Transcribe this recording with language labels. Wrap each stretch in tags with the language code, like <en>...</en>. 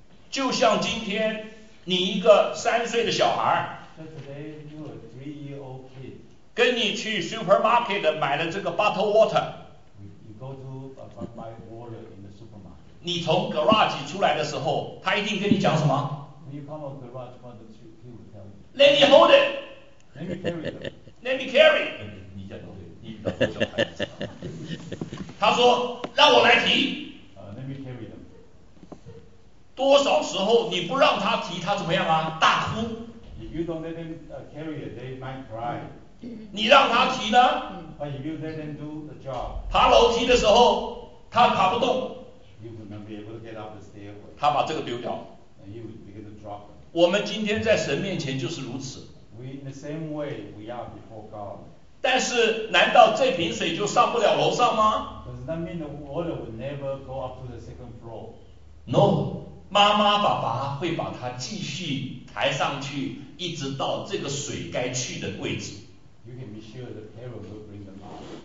<zh>就像今天你一个三岁的小孩</zh> <en>So today you are a three-year-old kid.</en> <zh>跟你去 supermarket 买了这个 bottle water.</zh> <en>You go to buy water in the supermarket.</en> <zh>你从 garage 出来的时候他一定跟你讲什么</zh> <en>When you come out of the garage, he will tell you. Let me hold it. Let me carry it. Let me carry it.</en> <zh>你讲对了，你遇到这小孩子了。他说让我来提</zh> <en>let me carry them.</en> <zh>多少时候你不让他提他怎么样啊大哭</zh> <en>if you don't let them carry it, they might cry.</en> <zh>你让他提呢</zh> <en>but if you let them do the job,</en> <zh>爬楼梯的时候他爬不动</zh> <en>you will not be able to get up the stairway.</en> <zh>他把这个丢掉</zh> <en>and you will begin to drop them.</en> <zh>我们今天在神面前就是如此</zh> <en>we, in the same way we are before God.</en> <zh>但是难道这瓶水就上不了楼上吗</zh> <en>Does that mean the water will never go up to the second floor?</en> <zh>No, 妈妈爸爸会把它继续抬上去一直到这个水该去的位置</zh> <en>You can be sure the parent will bring them up.</en>